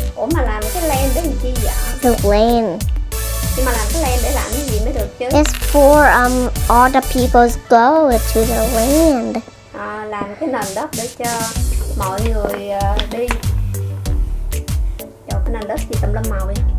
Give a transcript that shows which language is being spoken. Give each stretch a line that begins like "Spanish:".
Vietnamese: Mà làm cái land để làm chi vậy?
English: The land.
Vietnamese: Nhưng mà làm cái land để làm cái gì mới được chứ?
English: It's for all the people's go to the land.
Vietnamese: À, làm cái nền đất để cho mọi người đi. Chỗ cái nền đất gì tầm lâm màu vậy?